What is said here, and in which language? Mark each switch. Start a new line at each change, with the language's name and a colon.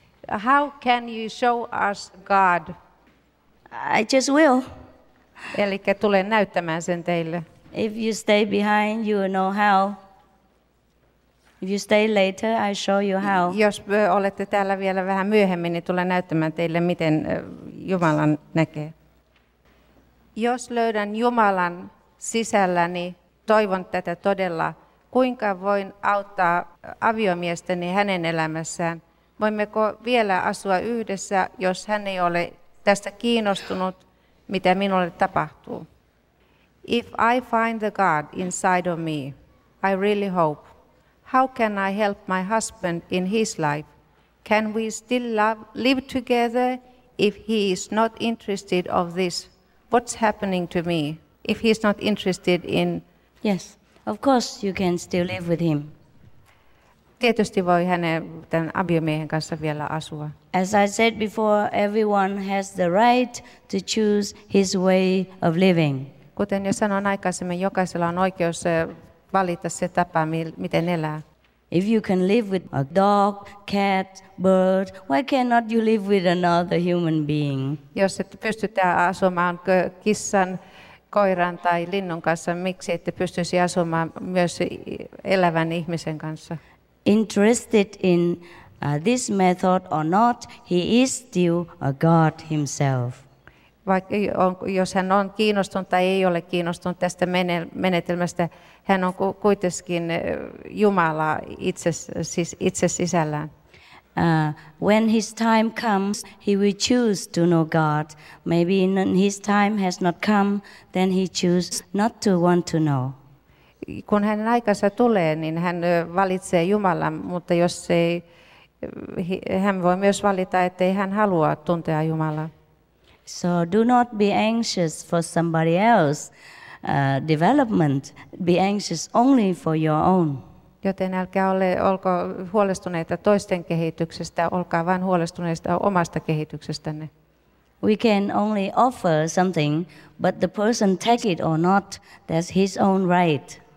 English: How can you show us God? I just will.
Finnish: Elikkä tulen näyttämään sen teille.
English: If you stay behind, you know how. If you stay later, I show you how.
Finnish: Jos olette täällä vielä vähän myöhemmin, niin tulen näyttämään teille, miten Jumalan näkee. Jos löydän Jumalan sisälläni, toivon tätä todella. Kuinka voin auttaa aviomiestäni hänen elämässään? Voimmeko vielä asua yhdessä, jos hän ei ole tästä kiinnostunut, mitä minulle tapahtuu?
English: If I find the God inside of me, I really hope. How can I help my husband in his life? Can we still live together if he is not interested of this? What's happening to me if he's not interested in... Yes. Of course you can still live with him.
Finnish: Tietysti voi tämän aviomiehen kanssa vielä asua.
English: As I said before, everyone has the right to choose his way of living.
Finnish: Kuten jo sanoin aikaisemmin, jokaisella on oikeus valita se tapa, miten elää.
English: If you can live with a dog, cat, bird, why cannot you live with another human being?
Finnish: Jos et pystytä asumaan kissan, koiran tai linnun kanssa, miksi ette pystyisi asumaan myös elävän ihmisen kanssa?
English: Interested in this method or not, he is still a God himself.
Finnish: Vaikka jos hän on kiinnostunut tai ei ole kiinnostunut tästä menetelmästä, hän on kuitenkin Jumala itse sisällään.
English: When his time comes, he will choose to know God. Maybe his time has not come, then he chooses not to want to know.
Finnish: Kun hänen aikansa tulee, niin hän valitsee Jumalan, mutta jos ei, hän voi myös valita, että ei hän halua tuntea Jumalaa.
English: So do not be anxious for somebody else's development. Be anxious only for your own.
Finnish: Joten älkää olko huolestuneita toisten kehityksestä, olkaa vain huolestuneista omasta kehityksestänne.
English: We can only offer something, but the person take it or not, that's his own right.